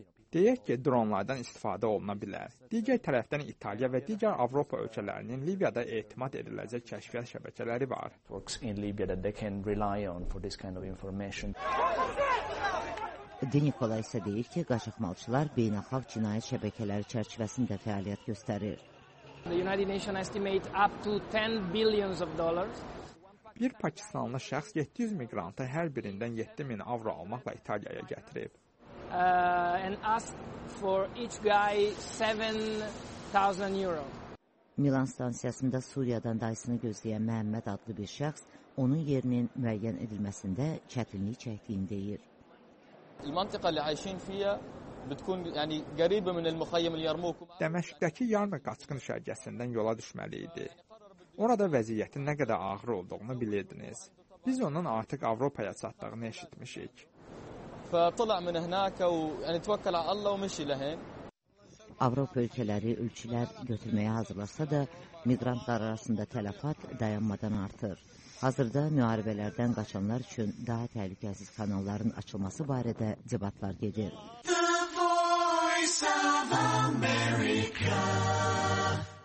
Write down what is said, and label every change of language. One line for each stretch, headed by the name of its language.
Azerbaijani: Deyək ki, dronlardan istifadə oluna bilər. Digər tərəfdən İtaliya və digər Avropa ölkələrinin Liviyada etimad ediləcək kəşfiyyat şəbəkələri var. De Nicola isə deyir ki, qaçaqmalçılar beynəlxalq cinayət şəbəkələri çərçivəsində fəaliyyət göstərir.
English: The United Nations estimate up to 10 billions of dollars.
Azerbaijani: Bir Pakistanlı şəxs 700 miqrantı hər birindən 7000 avro almaqla İtaliyaya gətirib.
English: And ask for each guy 7000 euro.
Azerbaijani: Milan stansiyasında Suriyadan dayısını gözləyən Məhəmməd adlı bir şəxs onun yerinin müəyyən edilməsində çətinlik çəkdiyini deyir.
Arabic: المنطقة اللي عايشين فيها بتكون يعني قريبة من المخيم اليرموك.
Azerbaijani: دمشق'daki yarma qaçqın şəhərcəsindən yola düşməli idi. Orada vəziyyətin nə qədər ağır olduğunu bilirdiniz. Biz onun artıq Avropaya çatdığını eşitmişik.
Arabic: فطلع من هناك ويعني توكل على الله ومشي لهن.
Azerbaijani: Avropa ölkələri ölçülər götürməyə hazırlasa da, miqrantlar arasında tələfat dayanmadan artır. Hazırda müharibələrdən qaçanlar üçün daha təhlükəsiz kanalların açılması barədə debatlar gedir.
English: The Voice of America.